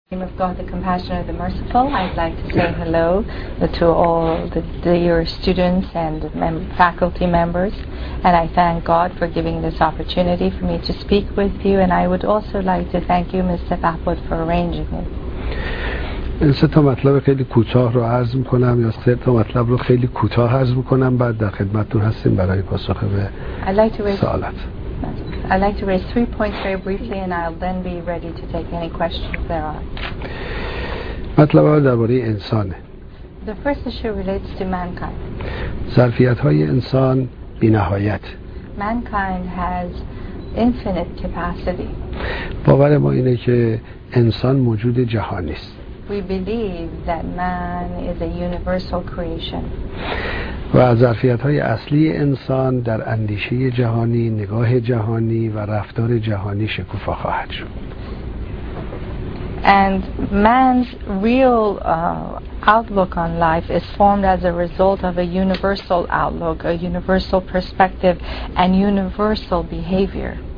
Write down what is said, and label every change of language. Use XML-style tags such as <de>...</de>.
<en>In the name of God, the Compassionate, the Merciful, I'd like to say hello to all the dear students and faculty members, and I thank God for giving this opportunity for me to speak with you, and I would also like to thank you, Mr. Papwood, for arranging it.</en> <fa>سه تا مطلب خیلی کوتاه رو عرض می‌کنم یا سه تا مطلب رو خیلی کوتاه عرض می‌کنم بعد در خدمتتون هستیم برای پاسخ به سوالات.</fa> <en>I'd like to raise three points very briefly and I'll then be ready to take any questions there are.</en> <fa>مطلب اول درباره انسانه.</fa> <en>The first issue relates to mankind.</en> <fa>ظرفیت‌های انسان بی‌نهایت.</fa> <en>Mankind has infinite capacity.</en> <fa>باور ما اینه که انسان موجود جهانی است.</fa> <en>We believe that man is a universal creation.</en> <fa>و ظرفیت‌های اصلی انسان در اندیشه جهانی، نگاه جهانی و رفتار جهانی شکوفا خواهد شد.</fa> <en>And man's real outlook on life is formed as a result of a universal outlook, a universal perspective and universal behavior.</en>